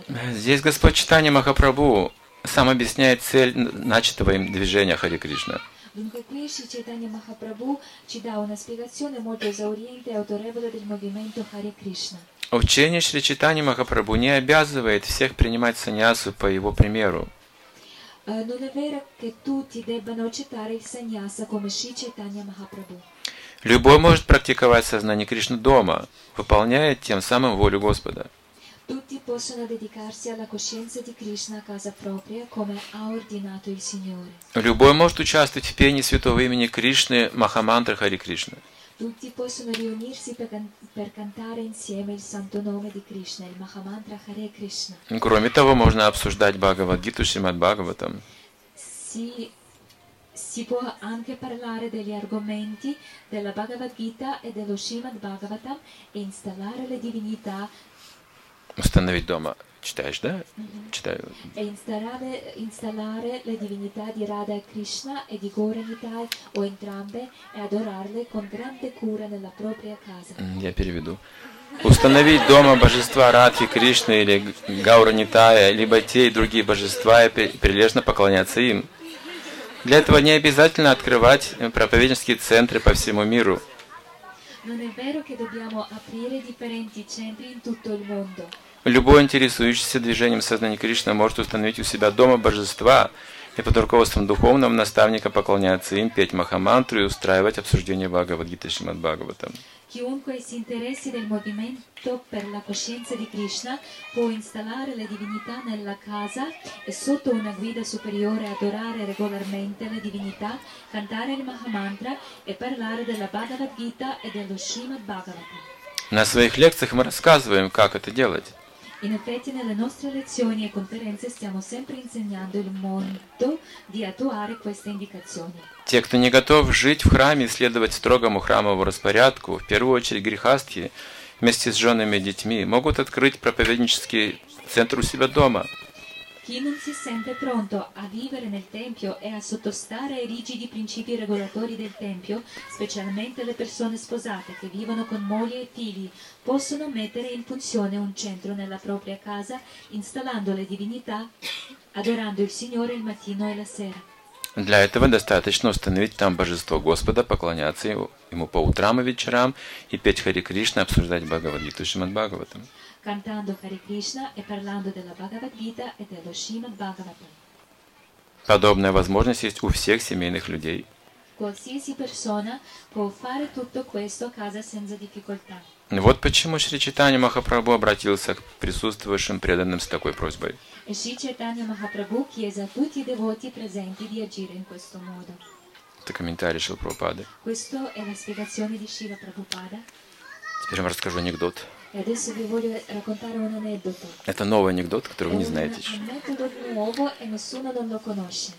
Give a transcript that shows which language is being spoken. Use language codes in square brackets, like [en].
[ru] Здесь Господь Чайтанья Махапрабху сам объясняет цель начатого им движения Хари Кришна. [it] Dunque qui Sri Chaitanya Mahaprabhu ci dà una spiegazione molto esauriente e autorevole del movimento Hare Krishna. [ru] Учение Шри Чайтаньи Махапрабху не обязывает всех принимать саньясу по его примеру. [it] non è vero che tutti debbano accettare il sannyasa come Sri Chaitanya Mahaprabhu. [ru] Любой может практиковать сознание Кришны дома, выполняя тем самым волю Господа. [it] Tutti possono dedicarsi alla coscienza di Krishna a casa propria, come ha ordinato il Signore. [ru] Любой может участвовать в пении святого имени Кришны, Махамантра Хари Кришна. [it] Tutti possono riunirsi per cantare insieme il santo nome di Krishna, il Mahamantra Hare Krishna. [ru] Кроме того, можно обсуждать Бхагавад-гиту, Шримад-Бхагаватам. [it] Si può anche parlare degli argomenti della Bhagavad Gita e dello Shrimad Bhagavatam e installare le divinità. [ru] Установить дома. Читаешь, да? Mm-hmm. Читаю. [it] E installare le divinità di Radha e Krishna e di Gaura Nitai o entrambe e adorarle con grande cura nella propria casa. [ru] Я переведу. Установить дома божества Радхи Кришны или Гаура Нитая, либо те и другие божества и прилежно поклоняться им. Для этого не обязательно открывать проповеднические центры по всему миру. [it] Non è vero che dobbiamo aprire differenti centri in tutto il mondo. [ru] Любой интересующийся движением сознания Кришны может установить у себя дома божества и под руководством духовного наставника поклоняться им, петь Махамантру и устраивать обсуждение Бхагавад-гиты Шримад-Бхагаватам. [it] Chiunque si interessi del movimento per la coscienza di Krishna può installare le divinità nella casa e sotto una guida superiore adorare regolarmente le divinità, cantare il Mahamantra e parlare della Bhagavad Gita e dello Srimad Bhagavatam. [ru] На своих лекциях мы рассказываем, как это делать. [it] In effetti, nelle nostre lezioni e conferenze stiamo sempre insegnando il modo di attuare queste indicazioni. [ru] Те, кто не готов жить в храме и следовать строгому храмовому распорядку, в первую очередь грихастхи, вместе с женами и детьми, могут открыть проповеднический центр у себя дома. [it] Chi non si sente pronto a vivere nel tempio e a sottostare ai rigidi principi regolatori del tempio, specialmente le persone sposate che vivono con moglie e figli, possono mettere in funzione un centro nella propria casa, installando le divinità, adorando il Signore il mattino e la sera. [ru] Для этого достаточно установить там божество Господа, поклоняться ему по утрам и вечерам и петь Хари Кришна, обсуждать Бхагавад-гиту Шримад Бхагаватам. [it] Cantando Hare Krishna e parlando della Bhagavad Gita e dello Shrimad Bhagavatam. [ru] Подобная возможность есть у всех семейных людей. [it] Qualsiasi persona può fare tutto questo a casa senza difficoltà. [ru] Вот почему Шри Чайтанья Махапрабху обратился к присутствующим преданным с такой просьбой. [it] E Sri Chaitanya Mahaprabhu chiese a tutti i devoti presenti di agire in questo modo. [ru] Это комментарий Шрила Прабхупады. [it] Questo è la spiegazione di Shrila Prabhupada. [ru] Теперь я вам расскажу анекдот. [it] E adesso vi voglio raccontare un aneddoto. [ru] Это новый анекдот, который вы не знаете еще. [it] Nuovo, e nessuno non lo conosce.